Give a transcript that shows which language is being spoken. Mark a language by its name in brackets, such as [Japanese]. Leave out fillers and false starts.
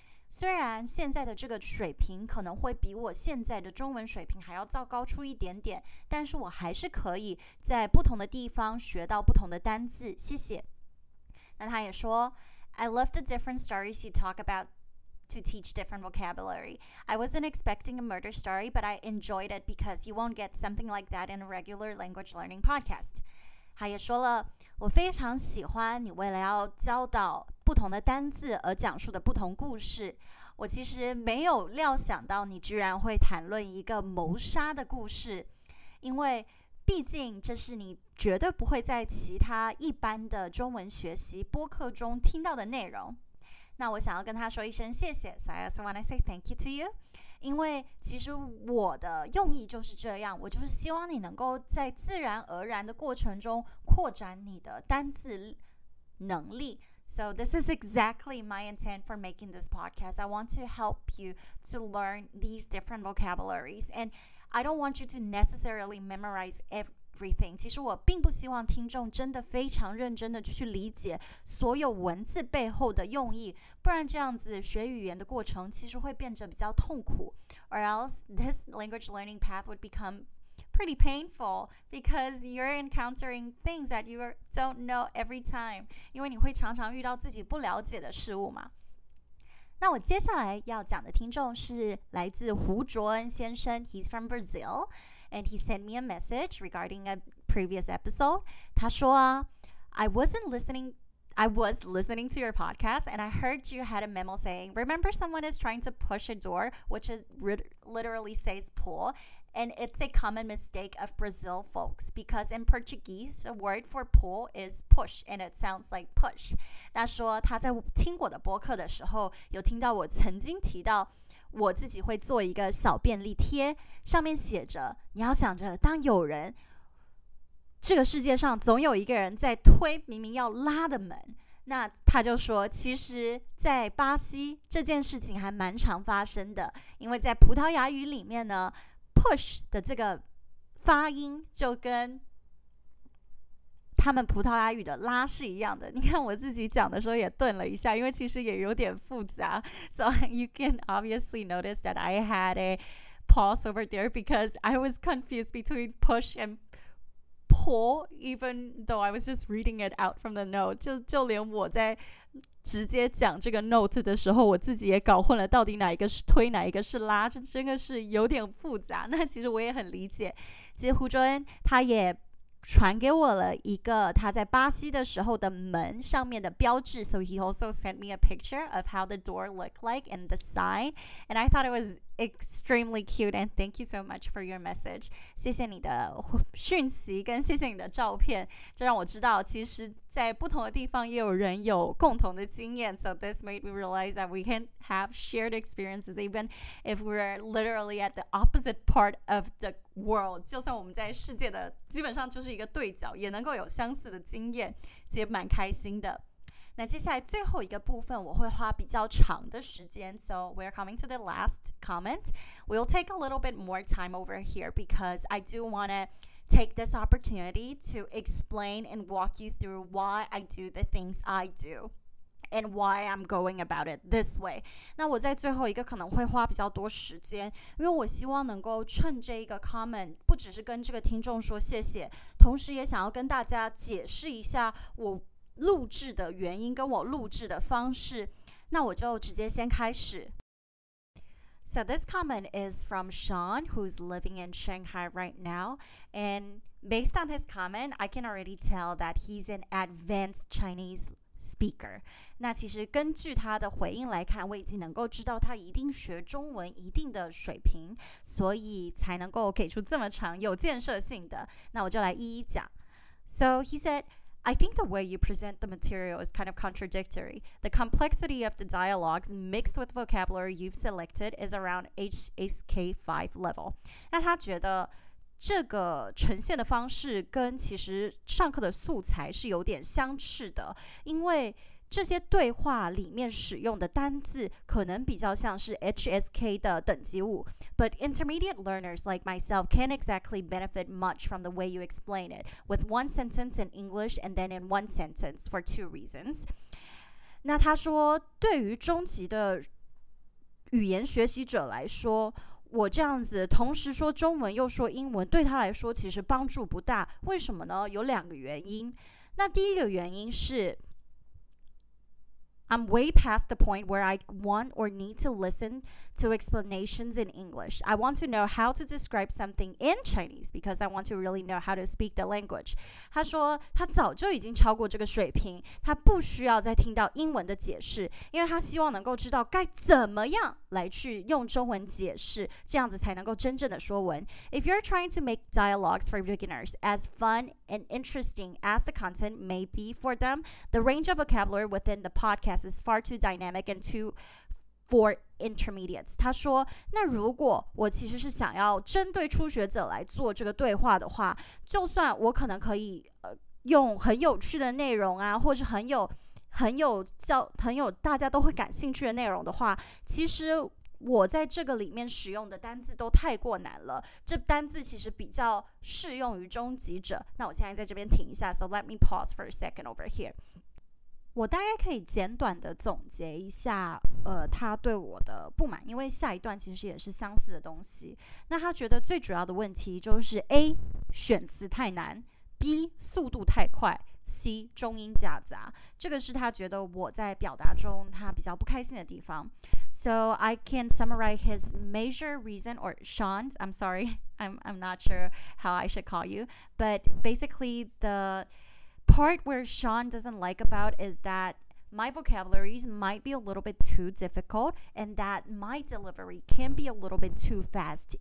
[Chinese] 虽然现在的这个水平可能会比我现在的中文水平还要糟糕出一点点，但是我还是可以在不同的地方学到不同的单字。谢谢。那他也说 [English] I love the different stories you talk about to teach different vocabulary. I wasn't expecting a murder story, but I enjoyed it because you won't get something like that in a regular language learning podcast. [Chinese] 他也说了，我非常喜欢你为了要教导不同的单字而讲述的不同故事。我其实没有料想到你居然会谈论一个谋杀的故事，因为毕竟这是你绝对不会在其他一般的中文学习播客中听到的内容。那我想要跟他说一声谢谢， [English] So I also want to say thank you to you， [Chinese] 因为其实我的用意就是这样，我就是希望你能够在自然而然的过程中扩展你的单字能力。 [English] So this is exactly my intent for making this podcast. I want to help you to learn these different vocabularies. And I don't want you to necessarily memorize everything. [Chinese] 其实我并不希望听众真的非常认真的去理解所有文字背后的用意，不然这样子学语言的过程其实会变得比较痛苦。 [English] Or else this language learning path would become pretty painful because you're encountering things that you don't know every time. [Chinese] 因为你会常常遇到自己不了解的事物嘛。那我接下来要讲的听众是来自胡卓恩先生， [English] He's from Brazil and he sent me a message regarding a previous episode. [Chinese] 他说啊， [English] I was listening to your podcast and I heard you had a memo saying remember someone is trying to push a door which is literally says pull and it's a common mistake of Brazil folks because in Portuguese the word for pull is push and it sounds like push. [Chinese] 他说他在听我的播客的时候有听到我曾经提到我自己会做一个小便利贴，上面写着你要想着当有人这个世界上总有一个人在推明明要拉的门。那他就说其实在巴西这件事情还蛮常发生的，因为在葡萄牙语里面呢 push 的这个发音就跟他们葡萄牙语的拉是一样的。你看我自己讲的时候也顿了一下，因为其实也有点复杂。 [English] So you can obviously notice that I had a pause over there because I was confused between push and pull even though I was just reading it out from the note. [Chinese] 就连我在直接讲这个 note 的时候我自己也搞混了到底哪一个是推哪一个是拉，这真的是有点复杂。那其实我也很理解，其实胡卓恩他也传给我了一个他在巴西的时候的门上面的标志。 [English] So he also sent me a picture of how the door looked like and the sign. And I thought it was extremely cute. And thank you so much for your message. [Chinese] 谢谢你的讯息跟谢谢你的照片，这让我知道其实在不同的地方也有人有共同的经验。 [English] So this made me realize that we can have shared experiences even if we're literally at the opposite part of the world. [Chinese] 就算我们在世界的基本上就是一个对角，也能够有相似的经验，其实蛮开心的。那接下来最后一个部分我会花比较长的时间， [English] So we're coming to the last comment. We'll take a little bit more time over here because I do want to take this opportunity to explain and walk you through why I do the things I do and why I'm going about it this way. [Chinese] 那我在最后一个可能会花比较多时间，因为我希望能够趁这一个 comment 不只是跟这个听众说谢谢，同时也想要跟大家解释一下我录制的原因跟我录制的方式。那我就直接先开始。 [English] So this comment is from Sean, who's living in Shanghai right now. And based on his comment, I can already tell that he's an advanced Chinese speaker. [Chinese] 那其实根据他的回应来看，我已经能够知道他一定学中文一定的水平，所以才能够给出这么长有建设性的。那我就来一一讲。 [English] So he said,I think the way you present the material is kind of contradictory. The complexity of the dialogues mixed with vocabulary you've selected is around HSK5 level. [Chinese] 那他觉得这个呈现的方式跟其实上课的素材是有点相似的，因为这些对话里面使用的单字可能比较像是 HSK 的等级物。 [English] But intermediate learners like myself can't exactly benefit much from the way you explain it, with one sentence in English and then in one sentence for two reasons. [Chinese] 那他说，对于中级的语言学习者来说，我这样子同时说中文又说英文，对他来说其实帮助不大。为什么呢？有两个原因。那第一个原因是 [English] I'm way past the point where I want or need to listen to explanations in English. I want to know how to describe something in Chinese because I want to really know how to speak the language. [Chinese] 他说他早就已经超过这个水平，他不需要再听到英文的解释，因为他希望能够知道该怎么样来去用中文解释，这样子才能够真正的说文。 [English] If you're trying to make dialogues for beginners as fun and interesting as the content may be for them, the range of vocabulary within the podcast is far too dynamic and too for intermediates. [Chinese] 他说，那如果我其实是想要针对初学者来做这个对话的话，就算我可能可以用很有趣的内容啊，或是很有大家都会感兴趣的内容的话，其实我在这个里面使用的单字都太过难了，这单字其实比较适用于中级者。那我现在在这边停一下， [English] So let me pause for a second over here. [Chinese] 我大概可以简短的总结一下他对我的不满，因为下一段其实也是相似的东西。那他觉得最主要的问题就是 A 选词太难， B 速度太快，C 中音夹杂，这个是他觉得我在表达中他比较不开心的地方。 [English] So I can summarize his major reason, or Sean's, I'm sorry, I'm not sure how I should call you, but basically the part where Sean doesn't like about is that my vocabularies might be a little bit too difficult and that my delivery can be a little bit too fast.